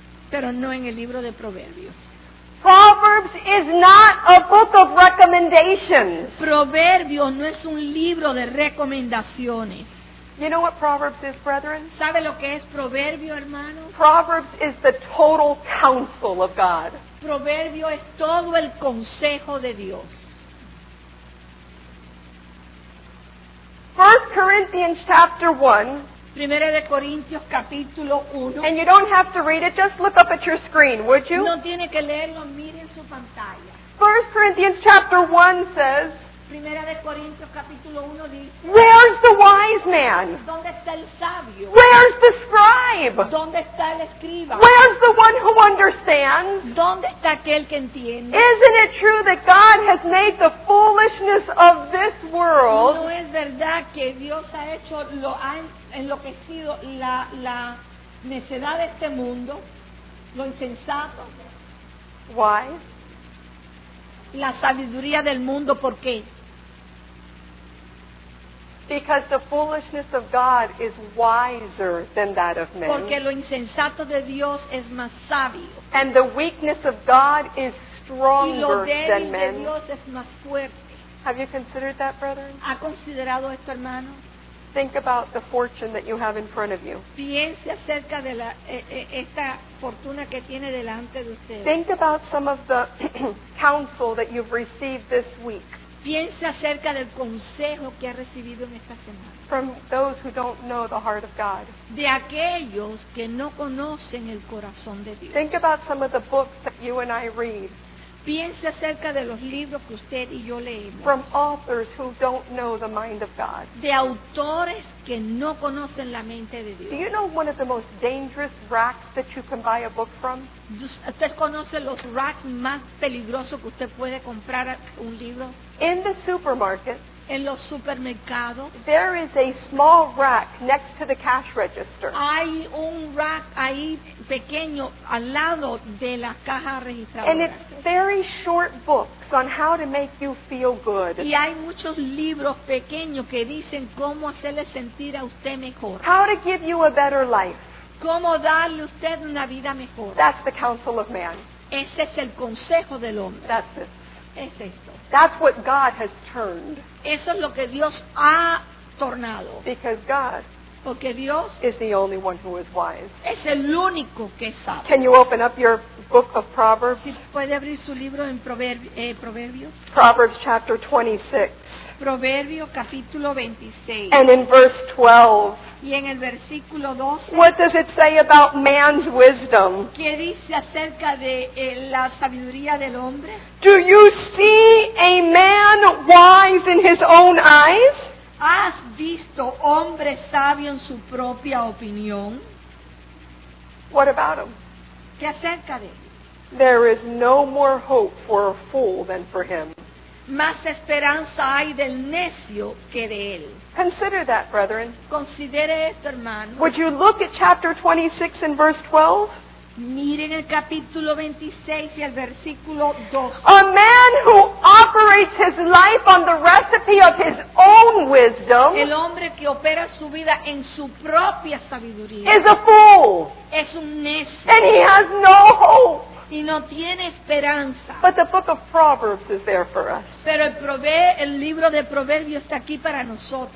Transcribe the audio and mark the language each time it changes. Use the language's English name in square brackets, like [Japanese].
[Spanish] Pero no en el libro de Proverbios. [English] Proverbs is not a book of recommendations. [Spanish] Proverbios no es un libro de recomendaciones. [English] You know what Proverbs is, brethren? [Spanish] ¿Sabe lo que es Proverbio, hermano? [English] Proverbs is the total counsel of God. [Spanish] Proverbio es todo el consejo de Dios. [English] 1 Corinthians chapter 1. [Spanish] Primera de Corintios capítulo 1. [English] And you don't have to read it, just look up at your screen, would you? [Spanish] No tiene que leerlo, miren su pantalla. [English] 1 Corinthians chapter 1 says, [Spanish] Primera de Corintios capítulo 1 dice, [English] where's the wise man? [Spanish] ¿Dónde está el sabio? [English] Where's the scribe? [Spanish] ¿Dónde está el escriba? [English] Where's the one who understands? [Spanish] ¿Dónde está aquel que entiende? [English] Isn't it true that God has made the foolishness of this world? [Spanish] ¿No es verdad que Dios ha hecho lo ha enloquecido la necedad de este mundo, lo insensato? [English] Why? [Spanish] La sabiduría del mundo, ¿por qué? [English] Because the foolishness of God is wiser than that of men. [Spanish] Porque lo insensato de Dios es más sabio. [English] And the weakness of God is stronger than men. [Spanish] Y lo débil de Dios es más fuerte. [English] Have you considered that, brother? [Spanish] ¿Ha considerado esto, hermano? [English] Think about the fortune that you have in front of you. [Spanish] Piense acerca de esta fortuna que tiene delante de usted. [English] Think about some of the counsel that you've received this week. [Spanish] Piense acerca del consejo que ha recibido en esta semana. [English] From those who don't know the heart of God. [Spanish] De aquellos que no conocen el corazón de Dios. [English] Think about some of the books that you and I read. [Spanish] Piense acerca de los libros que usted y yo leemos. [English] From authors who don't know the mind of God. [Spanish] De autores que no conocen la mente de Dios. [English] Do you know one of the most dangerous racks that you can buy a book from? [Spanish] ¿Usted conoce los racks más peligrosos que usted puede comprar un libro? [English] In the supermarket. [Spanish] En los supermercados. [English] There is a small rack next to the cash register. [Spanish] Hay un rack ahí pequeño al lado de la caja registradora. [English] And it's very short books on how to make you feel good. [Spanish] Y hay muchos libros pequeños que dicen cómo hacerle sentir a usted mejor. [English] How to give you a better life. [Spanish] Cómo darle usted una vida mejor. [English] That's the counsel of man. [Spanish] Ese es el consejo del hombre. [English] That's it. [Spanish] Es esto. [English] That's what God has turned. [Spanish] Eso es lo que Dios ha tornado. [English] Because God, [Spanish] porque Dios [English] is the only one who is wise. [Spanish] Es el único que sabe. [English] Can you open up your book of Proverbs? [Spanish] ¿Puede abrir su libro en Proverbios? [English] Proverbs chapter 26. [Spanish] Proverbio capítulo 26. [English] And in verse 12. [Spanish] Y en el versículo 12. [English] What does it say about man's wisdom? [Spanish] ¿Qué dice acerca de la sabiduría del hombre? [English] Do you see a man wise in his own eyes? [Spanish] ¿Has visto hombre sabio en su propia opinión? [English] What about him? [Spanish] ¿Qué acerca de él? [English] There is no more hope for a fool than for him. [Spanish] Más esperanza hay del necio que de él. [English] Consider that, brethren. [Spanish] Considere esto, hermano. [English] Would you look at chapter 26 and verse 12? [Spanish] Miren el capítulo 26 y el versículo 12. [English] A man who operates his life on the recipe of his own wisdom, [Spanish] el hombre que opera su vida en su propia sabiduría, [English] is a fool. [Spanish] Es un necio. [English] And he has no hope. [Spanish] Y no tiene esperanza. [English] But the book of Proverbs is there for us. [Spanish] Pero el libro de Proverbios está aquí para nosotros.